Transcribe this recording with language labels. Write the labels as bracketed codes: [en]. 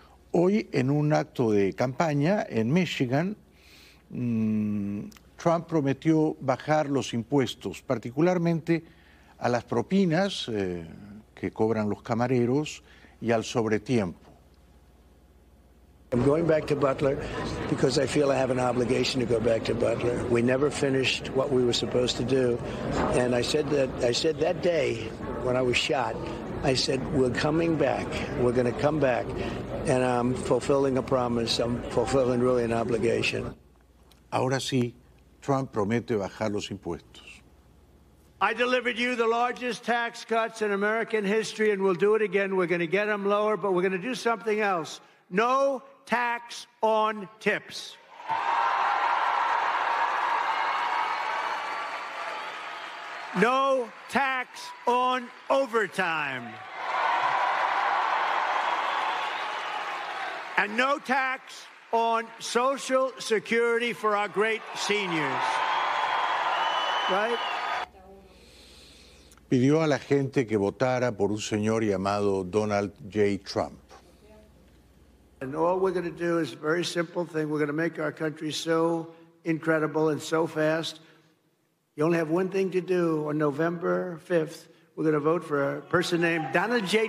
[es] Hoy, en un acto de campaña en Michigan, Trump prometió bajar los impuestos, particularmente a las propinas que cobran los camareros y al sobretiempo. [en] I'm going back to Butler because I feel I have an obligation to go back to Butler. We never finished what we were supposed to do, and I said that day when I was shot, I said we're coming back. We're going to come back, and I'm fulfilling a promise. I'm fulfilling really an obligation. [es] Ahora sí, Trump promete bajar los impuestos. [en] I delivered you the largest tax cuts in American history, and we'll do it again. We're going to get them lower, but we're going to do something else. No tax on tips. No tax on overtime. And no tax on Social Security for our great seniors. Right? [es] Pidió a la gente que votara por un señor llamado Donald J. Trump. [en] And all we're going to do is a very simple thing. We're going to make our country so incredible and so fast. You only have one thing to do on November 5th. We're going to vote for a person named Donald J.